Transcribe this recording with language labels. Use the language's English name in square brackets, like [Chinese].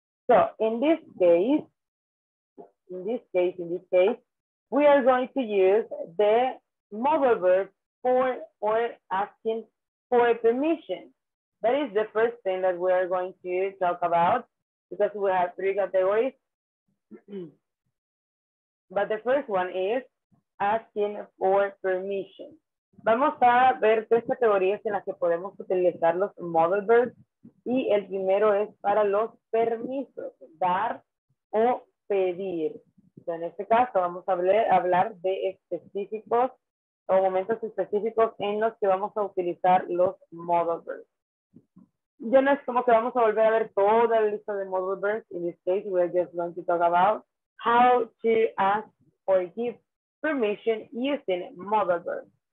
[English] So in this case, we are going to use the modal verb for or asking for permission. That is the first thing that we are going to talk about because we have three categories. But the first one is asking for permission. [Spanish] Vamos a ver tres categorías en las que podemos utilizar los modal verbs. Y el primero es para los permisos, dar o pedir. Entonces, en este caso vamos a hablar de específicos o momentos específicos en los que vamos a utilizar los modal verbs. Ya no es como que vamos a volver a ver toda la lista de modal verbs. [English] In this case, we're just going to talk about how to ask or give permission using modal verbs.